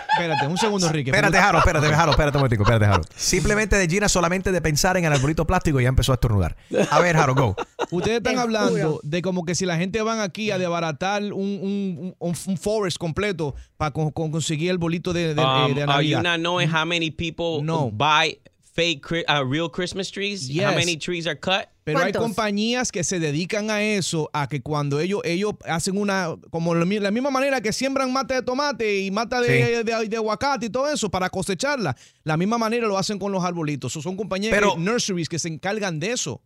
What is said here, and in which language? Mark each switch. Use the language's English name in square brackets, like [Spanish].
[Spanish] Espérate, un segundo, Ricky. Espérate, Jaro. Simplemente de Gina, solamente de pensar en el arbolito plástico, ya empezó a estornudar. A ver, Jaro, go. Ustedes están hablando de como que si la gente van aquí a desbaratar un forest completo para conseguir el bolito de Navidad. [English] Are you not knowing how many people buy fake real Christmas trees? Yes. How many trees are cut? [Spanish] Pero ¿cuántos? Hay compañías que se dedican a eso, a que cuando ellos hacen una, como la misma manera que siembran mata de tomate y mata de aguacate y todo eso para cosecharla, la misma manera lo hacen con los arbolitos. O son compañías de nurseries que se encargan de eso.